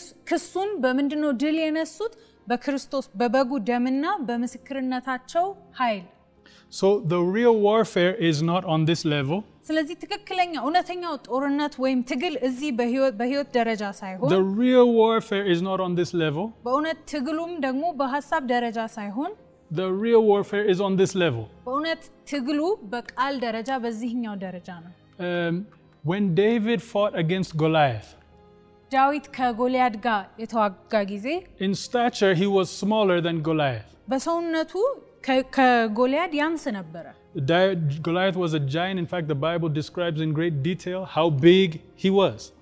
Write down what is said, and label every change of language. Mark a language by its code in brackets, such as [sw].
[am] ክሱን በመንድኖ ድል የነሱት በክርስቶስ በበጉ ደምና በመስክርነታቸው ኃይል [en] so the real warfare is not on this level [am] ስለዚህ ትክክለኛ እነተኛው ጦርነት ወይም ትግል እዚ በህይወት ደረጃ ሳይሆን [en] the real warfare is not on this level [am] በእነት ትግሉም ደግሞ በሐሳብ ደረጃ ሳይሆን [en] The real warfare is on this level. [am] ወነት ትግሉ በቃል ደረጃ በዚህኛው ደረጃ ነው. [en] When David fought against Goliath. [am] ዳዊት ከጎልያድ ጋር የተዋጋ ጊዜ [en] In stature he was smaller than Goliath. [am] በሰውነቱ ከጎልያድ ያንስ ነበር. [en] Goliath was a giant. In fact the Bible describes in great detail how big he was.